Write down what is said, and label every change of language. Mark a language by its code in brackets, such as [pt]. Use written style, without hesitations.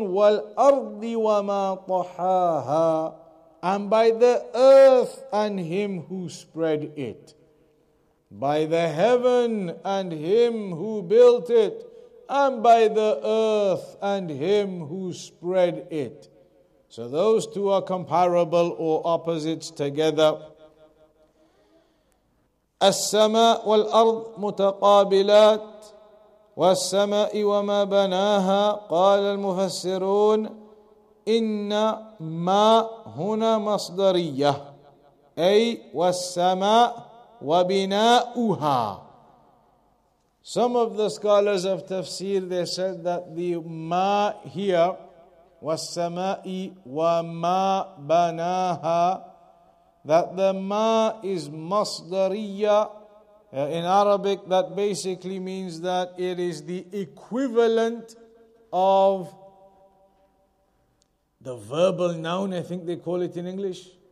[ar] وَالْأَرْضِ وَمَا طَحَاهَا, [en] and by the earth and him who spread it. By the heaven and him who built it. And by the earth and him who spread it. So those two are comparable or opposites together. [ar] السماء والأرض متقابلات والسماء وما بناها قال المفسرون إن ما هنا مصدرية أي والسماء وبناؤها. [en] Some of the scholars of Tafsir, they said that the ما here [ar] وَالسَّمَاءِ وَمَا بَنَاهَا, [en] that the ma is masdariya. In Arabic, that basically means that it is the equivalent of the verbal noun, I think they call it in English.